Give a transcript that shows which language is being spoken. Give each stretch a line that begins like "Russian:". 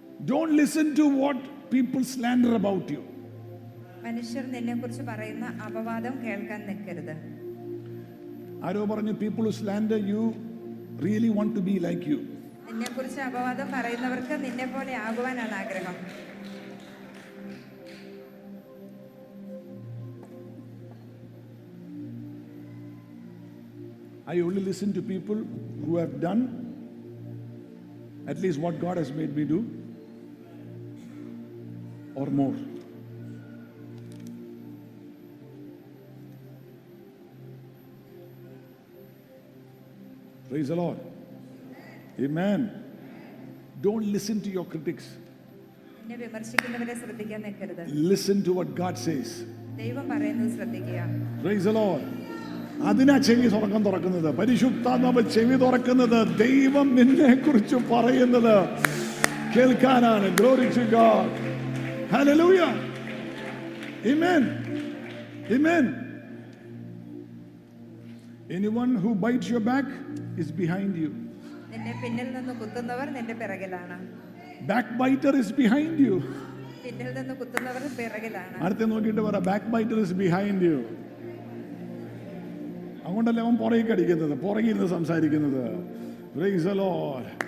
English: Don't listen to what people slander about you.
Malayalam: മനുഷ്യർ നിന്നെക്കുറിച്ച് പറയുന്ന അപവാദം കേൾക്കാൻ നിൽക്കരുത്. ആരോ പറഞ്ഞു,
English: people who slander you really want to be like you.
Malayalam: നിന്നെക്കുറിച്ച് അപവാദം പറയുന്നവർക്ക് നിന്നെ പോലെ ആകുവാനാണ് ആഗ്രഹം.
English: I only listen to people who have done at least what God has made me do. Or more. Praise the Lord. Amen. Don't listen to your critics. Listen to what God says. Praise the Lord.
Malayalam: അതിനാ ചെവി തുറക്കം തുറക്കുന്നത്, പരിശുദ്ധാത്മാവ് ചെവി തുറക്കുന്നത്, ദൈവം നിന്നെ കുറിച്ച് പറയുന്നത് കേൾക്കാനാണ്.
English: Glory to God. Hallelujah. Amen. Amen. Anyone who bites your back is behind you.
Malayalam: നിന്നെ പിന്നിൽ നിന്ന് കുത്തുന്നവർ നിന്റെ പിറകിലാണ്.
English: Backbiter is behind you.
Malayalam: പിന്നിൽ നിന്ന് കുത്തുന്നവർ പിറകിലാണ്. അടുത്തെ നോക്കിയിട്ട് പറ,
English: backbiter is behind you.
Malayalam: അങ്ങോട്ടല്ലേ അവൻ പുറകിൽ കടിക്കുന്നത്, പുറകിൽ നിന്ന് സംസാരിക്കുന്നത്.
English: Praise the Lord.